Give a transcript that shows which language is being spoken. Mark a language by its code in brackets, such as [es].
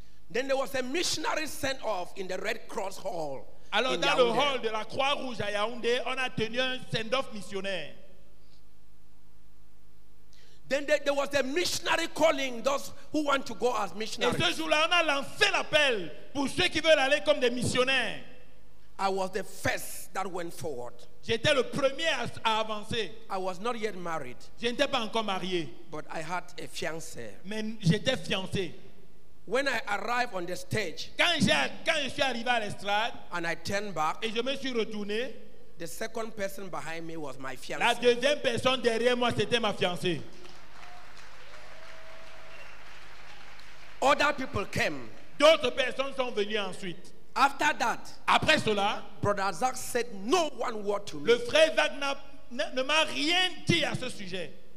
[en] Then there was a missionary sent off in the Red Cross Hall. [fr] Alors dans le hall de la Croix-Rouge à Yaoundé, on a tenu un send-off missionnaire. [en] Then there was a missionary calling those who want to go as missionaries. [fr] Et ce jour-là, on a lancé l'appel pour ceux qui veulent aller comme des missionnaires. [en] I was the first that went forward. [fr] J'étais le premier à avancer. [en] I was not yet married. [fr] Je n'étais pas encore marié. [en] But I had a fiancé. [fr] Mais j'étais fiancé. [en] When I arrive on the stage, [fr] quand je suis arrivé à l'estrade, [en] and I turn back, [fr] et je me suis retourné, [en] the second person behind me was my fiancée. [fr] La deuxième personne derrière moi c'était ma fiancée. [en] Other people came. [fr] D'autres personnes sont venues ensuite. [en] After that, [fr] après cela, [en] brother Zach said no one word to me. [fr] Le frère Zach ne m'a rien dit à ce sujet.